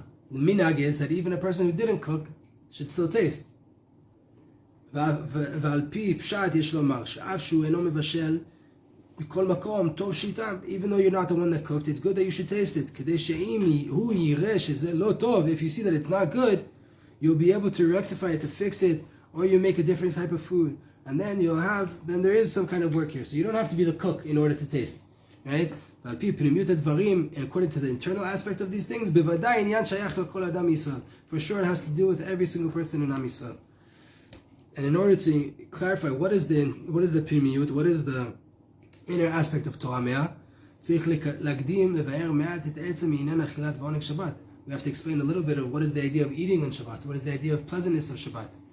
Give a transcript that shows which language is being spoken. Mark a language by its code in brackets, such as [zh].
[en] The minag is that even a person who didn't cook should still taste. [he] ועל פי פשט יש לומר שאף שהוא אינו מבשל בכל מקום טוב שיטם. [en] Even though you're not the one that cooked, it's good that you should taste it. [he] כדי שאם הוא יראה שזה לא טוב, [en] if you see that it's not good, you'll be able to rectify it, to fix it, or you make a different type of food. And then there is some kind of work here. So you don't have to be the cook in order to taste. Right? [he] ועל פי פנימיות הדברים, [en] according to the internal aspect of these things, [he] בוודאי עניין שייך לכל אדם ישראל. [en] For sure it has to do with every single person in Am Yisrael. And in order to clarify what is the pimiyut, what is the inner aspect of Toamea, [he] צריך להקדים לבאר מעט את עצם עניין אכילת ועונג שבת. [en] We have to explain a little bit of what is the idea of eating on Shabbat, what is the idea of pleasantness of Shabbat.